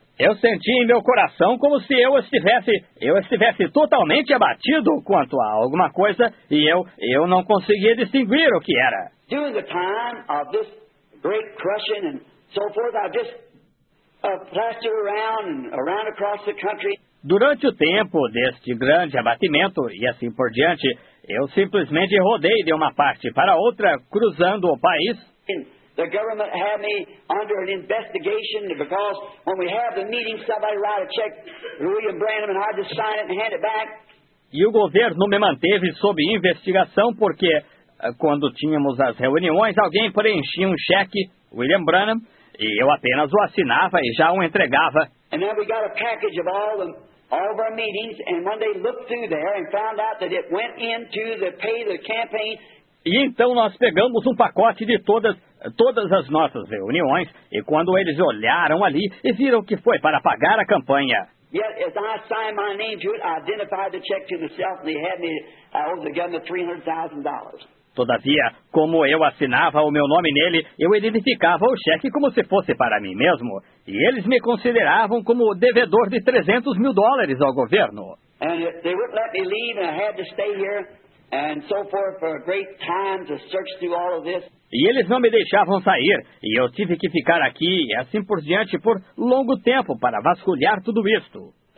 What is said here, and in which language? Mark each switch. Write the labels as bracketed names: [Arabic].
[Portuguese] Eu senti em meu coração como se eu estivesse totalmente abatido quanto a alguma coisa e eu não conseguia distinguir o que era. [English] During the time of this great crushing and so forth, I just plastered around and around across the country. [Portuguese] Durante o tempo deste grande abatimento, e assim por diante, eu simplesmente rodei de uma parte para outra, cruzando o país. [English] The government had me under an investigation because when we have the meeting, somebody write a check to William Branham and I just sign it and hand it back. [Portuguese] E o governo me manteve sob investigação porque, quando tínhamos as reuniões, alguém preenchia um cheque, William Branham, e eu apenas o assinava e já o entregava. [English] And then we got a package of all of our meetings, and when they looked through there and found out that it went into the pay the campaign. [Portuguese] E então nós pegamos um pacote de todas as nossas reuniões, e quando eles olharam ali e viram que foi para pagar a campanha. [English] Yet, as I signed my name to it, I identified the check to myself, and they had me, I owed the government $300,000. [Portuguese] Todavia, como eu assinava o meu nome nele, eu identificava o cheque como se fosse para mim mesmo. E eles me consideravam como devedor de $300,000 ao governo. [English] And they wouldn't let me leave, and I had to stay here, and so forth, for a great time to search through all of this. [Portuguese] E eles não me deixavam sair, e eu tive que ficar aqui, e assim por diante, por longo tempo, para vasculhar tudo isto.